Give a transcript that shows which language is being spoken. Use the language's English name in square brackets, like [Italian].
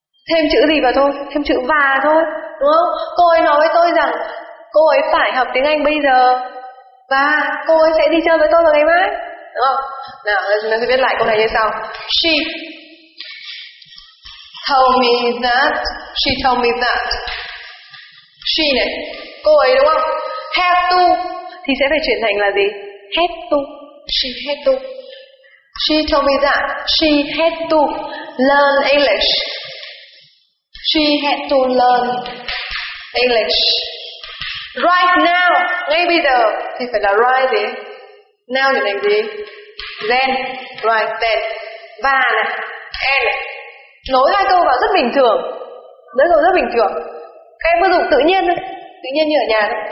[Vietnamese] Thêm chữ gì vào thôi, thêm chữ và thôi, đúng không? Cô ấy nói với tôi rằng cô ấy phải học tiếng Anh bây giờ và cô ấy sẽ đi chơi với tôi vào ngày mai, đúng không? Nào, mình sẽ viết lại câu này như sau. [English] She told me that. [Vietnamese] She told me that. She này, cô ấy đúng không? [English] Have to [Vietnamese] thì sẽ phải chuyển thành là gì? [English] Had to. She had to. She told me that. She had to learn English. She had to learn English. Right now, [Vietnamese] ngay bây giờ thì phải là right gì? Now thì thành gì? [English] Then, right then. [Vietnamese] Và này, [English] and này. [Vietnamese] Nối hai câu vào rất bình thường. Nối câu rất bình thường. Các em cứ dùng tự nhiên thôi. Tự nhiên như ở nhà thôi.